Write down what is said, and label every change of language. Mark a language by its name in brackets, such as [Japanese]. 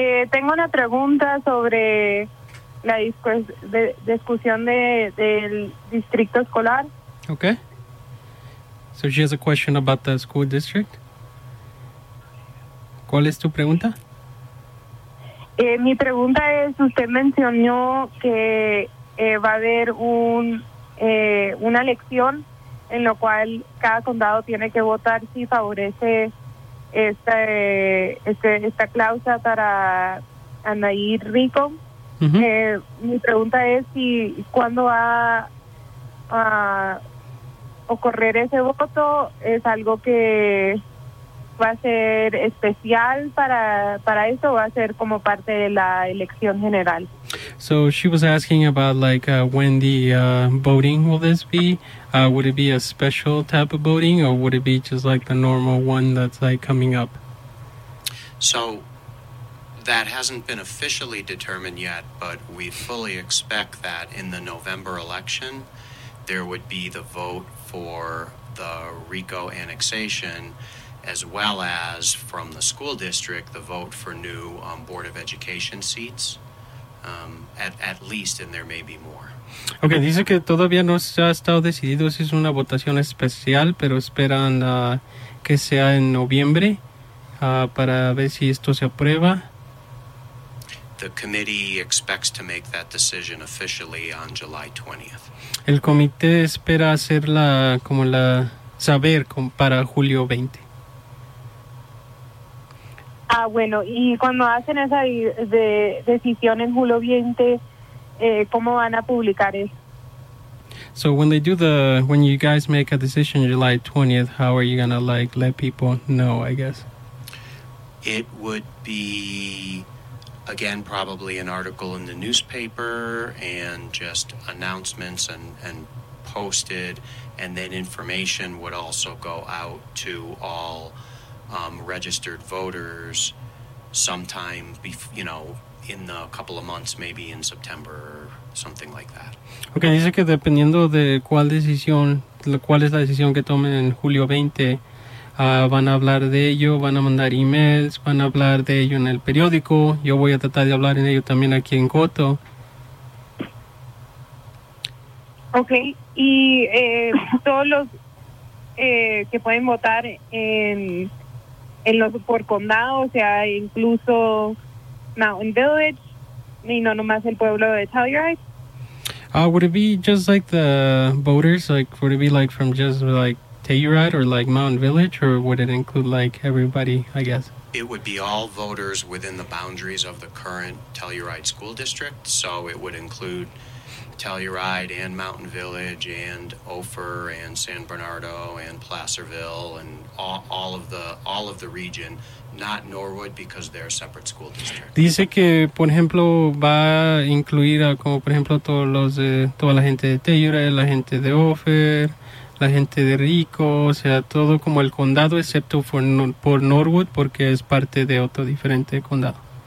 [Spanish] Tengo una pregunta sobre la discusión del distrito escolar. [English] Okay. So she has a question about the school district. [Spanish] ¿Cuál es tu pregunta? Mi pregunta es, usted mencionó que va a haber una elección en lo cual cada condado tiene que votar si favorece esta cláusula para añadir Rico. Uh-huh. Mi pregunta es si cuándo va a ocurrir ese voto. ¿Es algo que va a ser especial para eso, va a ser como parte de la elección general? [English] So she was asking about when the voting will this be. Would it be a special type of voting, or would it be just the normal one that's coming up? So that hasn't been officially determined yet, but we fully expect that in the November election, there would be the vote for the Rico annexation, as well as from the school district, the vote for new Board of Education seats. At least, and there may be more. [Spanish] Okay, dice que todavía no se ha estado decidido si es una votación especial, pero esperan que sea en noviembre para ver si esto se aprueba. [English] The committee expects to make that decision officially on July 20th. [Spanish] El comité espera hacerla como la saber para julio 20. Bueno, y cuando hacen esa decisión en julio 20, ¿cómo van a publicar eso? [English] So when you guys make a decision July 20th, how are you gonna let people know, I guess? It would be, again, probably an article in the newspaper and just announcements and posted, and then information would also go out to all registered voters sometime in the couple of months, maybe in September or something like that. [Spanish] Okay, dice que dependiendo de cuál es la decisión que tomen en julio 20, van a hablar de ello, van a mandar emails, van a hablar de ello en el periódico. Yo voy a tratar de hablar en ello también aquí en Coto. Okay, y todos los que pueden votar en los por condado, o sea, incluso Mountain Village, y no nomás el pueblo de Telluride. [English] Would it be just the voters, would it be from just Telluride or Mountain Village, or would it include everybody, I guess? It would be all voters within the boundaries of the current Telluride school district, so it would include Telluride and Mountain Village and Ophir and San Bernardo and Placerville and all of the region, not Norwood because they're a separate school district. [Spanish] Dice que, por ejemplo, va a incluir a, como por ejemplo, todos los toda la gente de Telluride, la gente de Ophir, la gente de Rico, o sea, todo como el condado excepto por Norwood porque es parte de otro diferente condado.